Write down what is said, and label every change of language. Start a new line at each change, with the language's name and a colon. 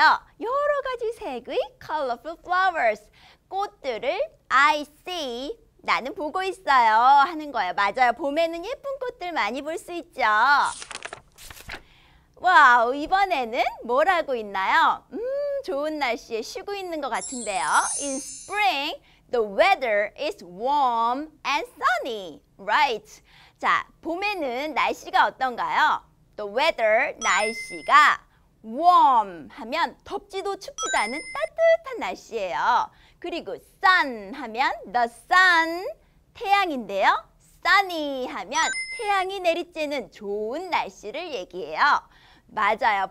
Korean: 여러 가지 색의
English: colorful flowers.
Korean: 꽃들을
English: I see,
Korean: 나는 보고 있어요 하는 거예요. 맞아요. 봄에는 예쁜 꽃들 많이 볼 수 있죠. 와우, 이번에는 뭘 하고 있나요? 좋은 날씨에 쉬고 있는 것 같은데요.
English: In spring, the weather is warm and sunny, right?
Korean: 자, 봄에는 날씨가 어떤가요?
English: The weather,
Korean: 날씨가 warm 하면 덥지도 춥지도 않은 따뜻한 날씨예요. 그리고 sun 하면 the sun, 태양인데요. sunny 하면 태양이 내리쬐는 좋은 날씨를 얘기해요. 맞아요.